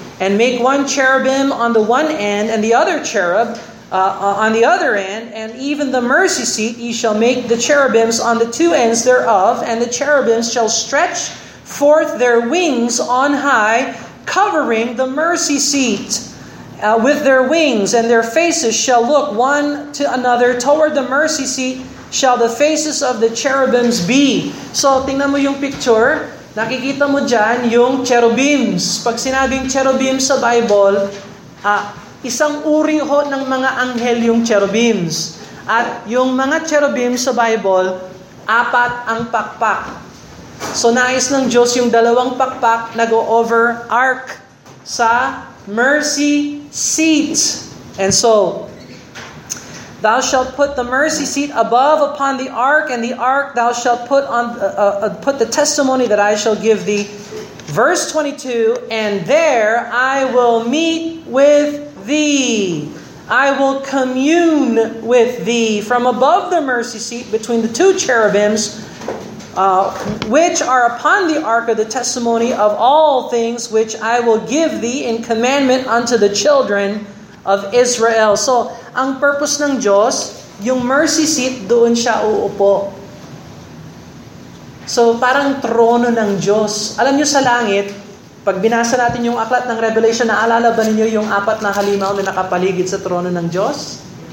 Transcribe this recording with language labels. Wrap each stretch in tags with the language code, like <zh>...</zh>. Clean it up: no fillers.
<en>And make 1 cherubim on the one end, and the other cherub on the other end, and even the mercy seat, ye shall make the cherubims on the 2 ends thereof, and the cherubims shall stretch forth their wings on high, covering the mercy seat with their wings, and their faces shall look one to another toward the mercy seat, shall the faces of the cherubims be.</en> <tl>So, tingnan mo yung picture, nakikita mo dyan yung cherubims. Pag sinabing cherubims sa Bible, isang uri ho ng mga anghel yung cherubims. At yung mga cherubims sa Bible, 4 ang pakpak. So nais ng Diyos yung 2 pakpak na</tl> <en>go over</en> <tl>ark sa mercy seat.</tl> <en>And so, thou shalt put the mercy seat above upon the ark, and the ark thou shalt put on put the testimony that I shall give thee. Verse 22, and there I will meet with thee. I will commune with thee from above the mercy seat between the 2 cherubims which are upon the ark of the testimony of all things which I will give thee in commandment unto the children of Israel.</en> <tl>So, ang purpose ng Diyos, yung mercy seat, doon siya uupo. So, parang trono ng Diyos. Alam niyo sa langit, pag binasa natin yung aklat ng Revelation, naalala ba ninyo yung 4 na halimaw na nakapaligid sa trono ng Diyos?</tl>